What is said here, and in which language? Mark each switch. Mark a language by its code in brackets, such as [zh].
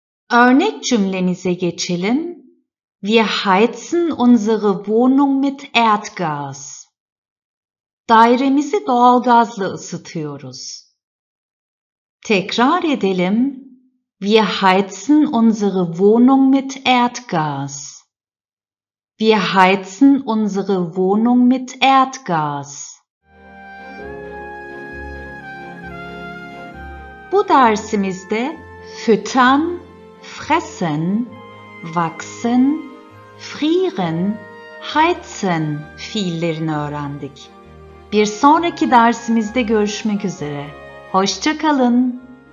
[tr] Örnek cümlenize geçelim. [de] Wir heizen unsere Wohnung mit Erdgas. [tr] Dairemizi doğalgazla ısıtıyoruz. Tekrar edelim. [de] Wir heizen unsere Wohnung mit Erdgas. Wir heizen unsere Wohnung mit Erdgas. [tr] Bu dersimizde füttern, fressen, wachsen, frieren, heizen fiillerini öğrendik. Bir sonraki dersimizde görüşmek üzere. Hoşça kalın.